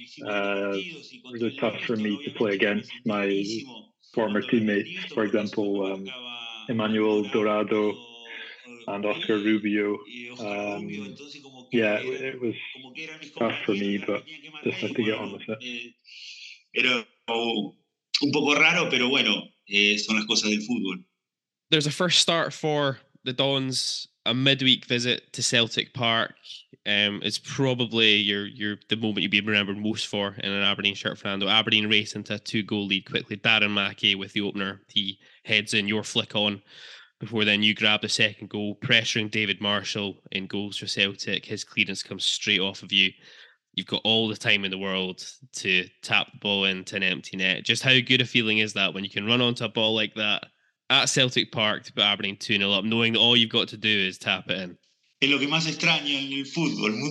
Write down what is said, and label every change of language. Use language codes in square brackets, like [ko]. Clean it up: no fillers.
[en] Really tough for me to play against my former teammates, for example, Emmanuel Dorado and Oscar Rubio. It was tough for me, but just had to get on with it. [es] Era un poco raro, pero bueno, son las cosas del fútbol. [en] There's a first start for the Dons, a midweek visit to Celtic Park. It's probably your the moment you'd be remembered most for in an Aberdeen shirt, Fernando. Aberdeen race into a two-goal lead quickly. Darren Mackay with the opener. He heads in, your flick on. Before then, you grab the second goal, pressuring David Marshall in goals for Celtic. His clearance comes straight off of you. You've got all the time in the world to tap the ball into an empty net. Just how good a feeling is that when you can run onto a ball like that at Celtic Park to put Aberdeen 2-0 up, knowing that all you've got to do is tap it in? [es] Es lo que más extraño en el fútbol.